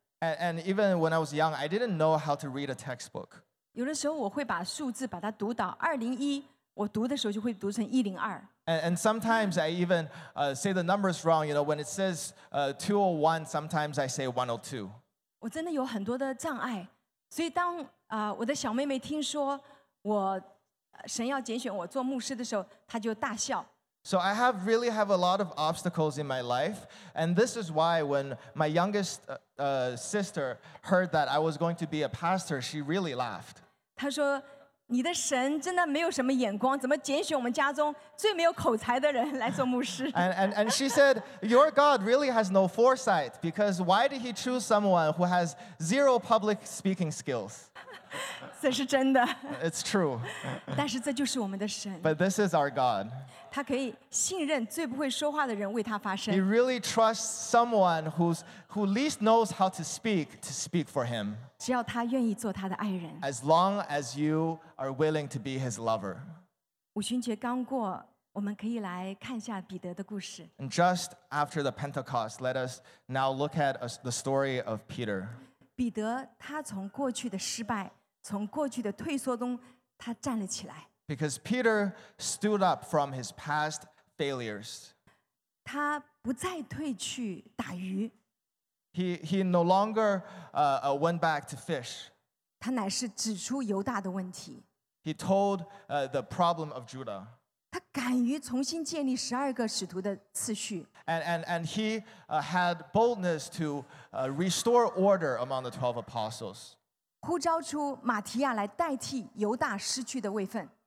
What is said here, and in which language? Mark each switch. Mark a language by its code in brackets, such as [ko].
[en] And even when I was young, I didn't know how to read a textbook. [zh] 有的时候我会把数字把它读到201，我读的时候就会读成102。 [en] And sometimes I even say the numbers wrong. You know, when it says 201, sometimes I say 102. [zh] 我真的有很多的障碍，所以当我的小妹妹听说我神要拣选我做牧师的时候，她就大笑。 [en] So I really have a lot of obstacles in my life, and this is why when my youngest sister heard that I was going to be a pastor, she really laughed. [zh] 她说。你的神真的没有什么眼光，怎么拣选我们家中最没有口才的人来做牧师？ [en] And she said, your God really has no foresight, because why did he choose someone who has zero public speaking skills? [zh] 这是真的。 [en] It's true. [zh] 但是这就是我们的神。 [en] But this is our God. [zh] 他可以信任最不会说话的人为他发声。 [en] He really trusts someone who least knows how to speak for him. [zh] 只要他愿意做他的爱人。 [en] As long as you are willing to be his lover. [zh] 五旬节刚过，我们可以来看一下彼得的故事。 [en] And just after the Pentecost, let us now look at the story of Peter. [zh] 彼得他从过去的失败，从过去的退缩中，他站了起来。 [en] Because Peter stood up from his past failures. [zh] 他不再退去打鱼。 [en] He no longer went back to fish. [zh] 他乃是指出犹大的问题。 [en] He told the problem of Judah. [zh] 他敢于重新建立十二个使徒的次序。 [en] And he had boldness to restore order among the 12 apostles. [zh] 呼召出马提亚来代替犹大失去的位分。